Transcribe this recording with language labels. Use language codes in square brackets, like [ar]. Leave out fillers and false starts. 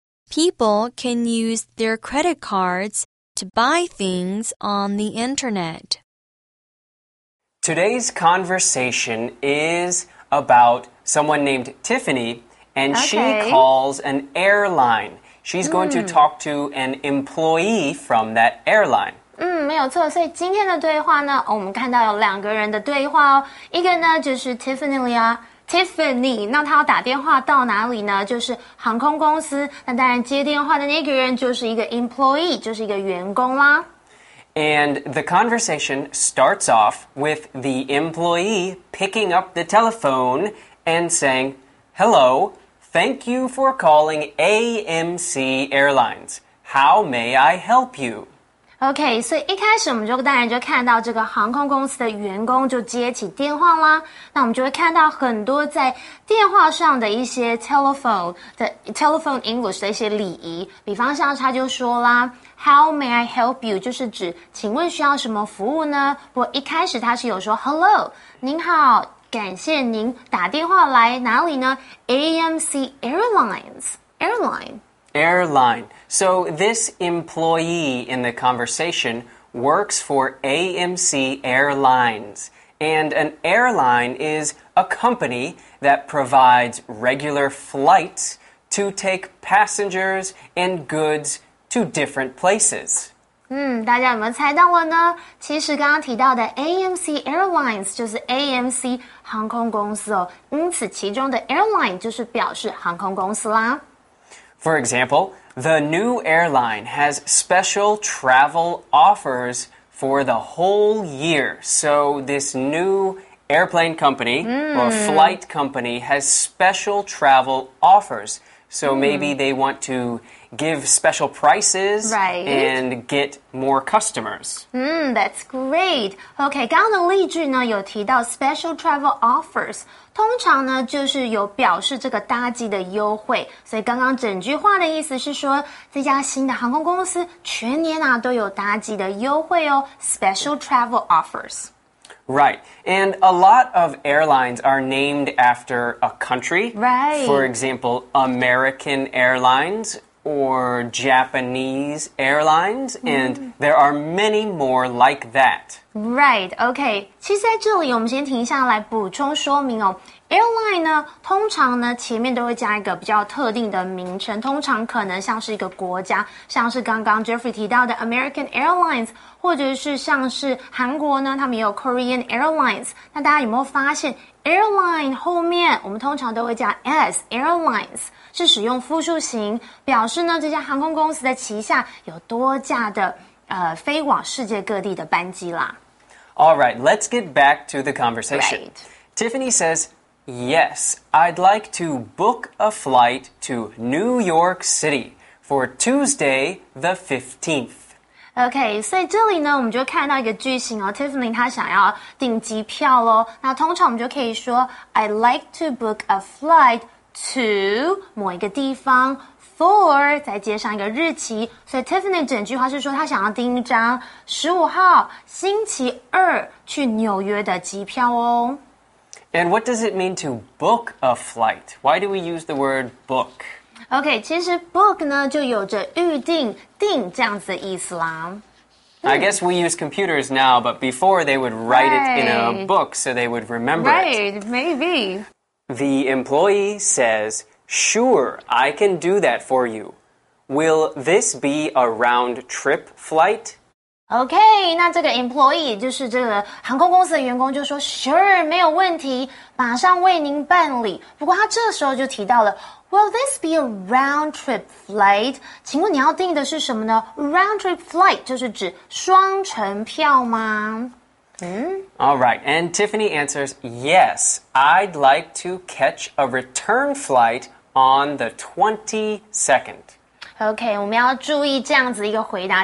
[en] People can use their credit cards to buy things on the internet. Today's conversation is about someone named Tiffany, and she calls an airline. She's going to talk to an employee from that airline. [zh] 没有错，所以今天的对话呢，我们看到有两个人的对话哦，一个呢就是 Tiffany， 那他要打电话到哪里呢？就是航空公司，那当然接电话的那个人就是一个 employee， 就是一个员工啦。 [en] And the conversation starts off with the employee picking up the telephone and saying, Hello, thank you for calling AMC Airlines. How may I help you? [zh] Okay, 所以一开始我们就当然就看到这个航空公司的员工就接起电话啦。那我们就会看到很多在电话上的一些 [en] telephone English [zh] 的一些礼仪。比方像他就说啦 [en] How may I help you? [zh] 就是指请问需要什么服务呢？不过一开始他是有说 [en] Hello, [zh] 您好，感谢您打电话来哪里呢 ?AMC Airlines. [en] Airline. Airline. So this employee in the conversation works for AMC Airlines. And an airline is a company that provides regular flights to take passengers and goods. To different places. [zh] 大家有没有猜到了呢？其实刚刚提到的 AMC Airlines 就是 AMC 航空公司哦。因此，其中的 airline 就是表示航空公司啦。 [en] For example, the new airline has special travel offers for the whole year. So this new airplane company or flight company has special travel offers. So maybe they want to. Give special prices、 right. and get more customers. That's great. [zh] Okay, 刚刚的例句呢有提到 [en] special travel offers. [zh] 通常呢就是有表示这个搭机的优惠。所以刚刚整句话的意思是说这家新的航空公司全年啊都有搭机的优惠哦 [en] special travel offers. Right. And a lot of airlines are named after a country. Right. For example, American Airlines. Or Japanese airlines, and there are many more like that. Right, okay. [zh] 其实在这里我们先停下来补充说明哦。Airline 呢，通常呢前面都会加一个比较特定的名称，通常可能像是一个国家，像是刚刚 Jeffrey 提到的 American Airlines， 或者是像是韩国呢，他们也有 Korean Airlines。那大家有没有发现 ，airline 后面我们通常都会加 s airlines， 是使用复数形，表示呢这家航空公司的旗下有多架的飞往世界各地的班机啦。 [en] All right, let's get back to the conversation.、 Right. Tiffany says. Yes, I'd like to book a flight to New York City for Tuesday the 15th. [zh] Okay, 所以这里呢，我们就看到一个句型哦。Tiffany 她想要订机票咯。那通常我们就可以说 ， [en] I'd like to book a flight to [zh] 某一个地方 for 再接上一个日期。所以 Tiffany 整句话是说她想要订一张15号星期二去纽约的机票哦。 [en] And what does it mean to book a flight? Why do we use the word book? [zh] Okay, 其实 book 呢就有着预定、订这样子的意思啦。 [en] I guess we use computers now, but before they would write it in a book so they would remember it. Right, maybe. The employee says, sure, I can do that for you. Will this be a round-trip flight? [zh] OK, 那这个 employee, 就是这个航空公司的员工就说 Sure, 没有问题马上为您办理。不过他这时候就提到了 [en] Will this be a round trip flight? [zh] 请问你要订的是什么呢 [en] Round trip flight [zh] 就是指双程票吗、 [en] Alright, and Tiffany answers Yes, I'd like to catch a return flight on the 22nd. [zh] OK, 我们要注意这样子一个回答。